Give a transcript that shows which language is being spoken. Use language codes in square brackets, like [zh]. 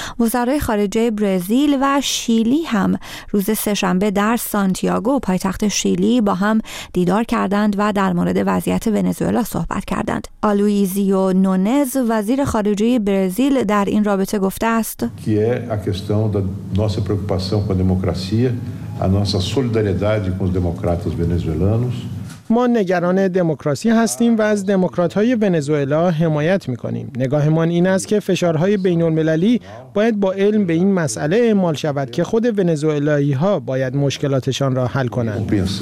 [fa] وزرای خارجه برزیل و شیلی هم روز سه‌شنبه در سانتیاگو پایتخت شیلی با هم دیدار کردند و در مورد وضعیت ونزوئلا صحبت کردند. آلویزیو نونز وزیر خارجه برزیل در این رابطه گفته است [pt] که a questão da nossa preocupação com a democracia, a nossa solidariedade com os democratas venezuelanos. [fa] ما نگران دموکراسی هستیم و از دموکرات‌های ونزوئلا حمایت می‌کنیم. نگاهمان این است که فشارهای بین‌المللی باید با علم به این مسئله اعمال شود که خود ونزوئلایی‌ها باید مشکلاتشان را حل کنند.